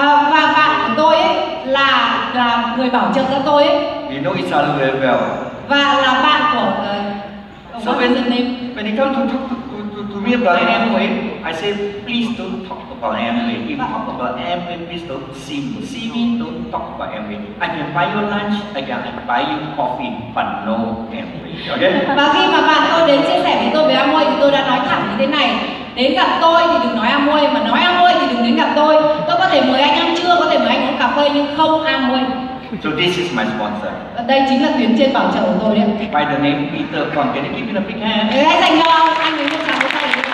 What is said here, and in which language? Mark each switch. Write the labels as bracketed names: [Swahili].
[Vietnamese] Và bạn của tôi ấy là người bảo trợ cho tôi ấy. [English] We know each other very well. [Vietnamese] Và là bạn của [English] so when he come to me about Amway, I say please don't talk about Amway. If you talk about Amway, please don't see me, don't talk about Amway. I can buy you lunch, I can buy you coffee, but no Amway. Okay? [Vietnamese] Và khi mà bạn tôi đến chia sẻ với tôi về Amway thì tôi đã nói thẳng như thế này: đến gặp tôi thì đừng nói Amway, mà nói Amway thì đừng đến gặp tôi. Tôi có thể mời anh ăn trưa, có thể mời anh uống cà phê, nhưng không Amway. [English] So this is my sponsor. [Vietnamese] Đây chính là tuyến trên bảo trợ của tôi đấy. [English] By the name Peter Kwan, can you give me a big hand? [Vietnamese] Để hãy dành cho anh ấy một tràng vỗ tay.